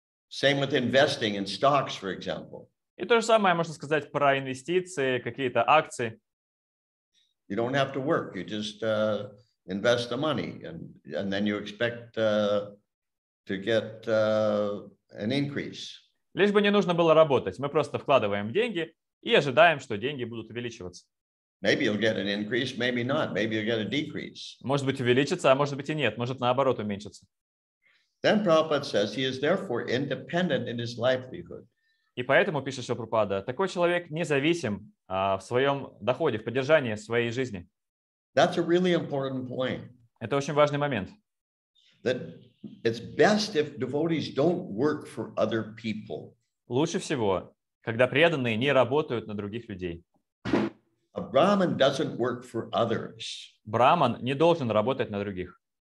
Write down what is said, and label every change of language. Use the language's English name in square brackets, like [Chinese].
[English] Same with investing in stocks, for example. [Russian] И то же самое можно сказать про инвестиции, какие-то акции. [English] You don't have to work. You just invest the money, and then you expect to get an increase. [Russian] Лишь бы не нужно было работать, мы просто вкладываем деньги и ожидаем, что деньги будут увеличиваться. [English] Maybe you'll get an increase, maybe not. Maybe you'll get a decrease. [Russian] Может быть увеличится, а может быть и нет. Может наоборот уменьшится. [English] Then Prabhupada says he is therefore independent in his livelihood. [Russian] И поэтому, пишет Шилапрабхада, такой человек независим в своем доходе, в поддержании своей жизни. [English] That's a really important point. [Russian] Это очень важный момент. [English] That it's best if devotees don't work for other people. [Russian] Лучше всего, когда преданные не работают на других людей. [English] A Brahman doesn't work for others. [Russian] Браман не должен работать на других.